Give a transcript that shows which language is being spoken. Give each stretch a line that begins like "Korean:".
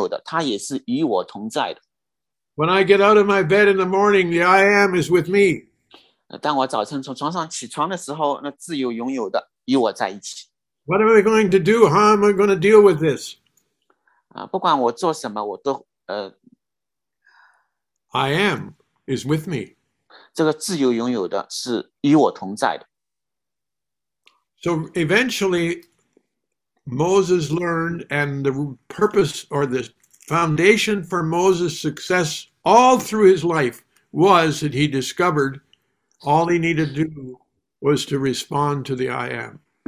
Chinese: 不仅他是的自由拥有的，他也是与我同在的。
English: When I get out of my bed in the morning, the I am is with me.
Chinese: 当我早晨从床上起床的时候，那自由拥有的与我在一起。
English: What am I going to do? How am I going to deal with this?
Chinese: 不管我做什么，我都。
English: I am is with me.
Chinese: 这个自由拥有的是与我同在的。
English: So eventually, Moses learned, and the purpose or the foundation for Moses' success all through his life was that he discovered all he needed to do was to respond to the I am.